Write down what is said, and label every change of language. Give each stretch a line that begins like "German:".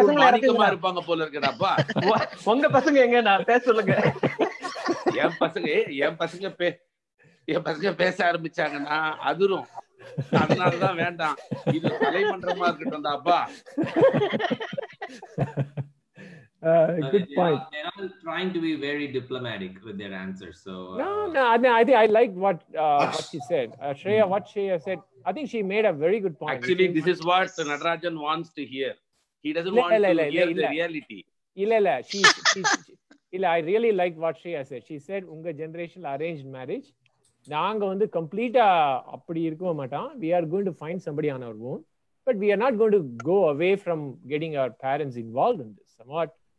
Tamil: அடக்கமா இருப்பாங்க போல இருக்கடாப்பா. உங்க பசங்க எங்க சொல்லுங்க. என் பசங்க பேச ஆரம்பிச்சாங்கன்னா அதுரும். அதனாலதான் வேண்டாம், இது கலைமன்றமா இருக்கட்டும் தாப்பா.
English: Good point. They're all trying to be very diplomatic with their answers. So I like what she said. Shreya, what she said, I think she made a very good point. Actually, this is what Natarajan wants to hear. He doesn't want to hear the reality. Illa, she இல்ல, I really like what she has she said.
Tamil: உங்க ஜெனரேஷன்ல arranged marriage நாங்க வந்து கம்ப்ளீட்டா அப்படி இருக்க மாட்டோம்.
English: We are going to find somebody on our own, but we are not going to go away from getting our parents involve in this somewhat.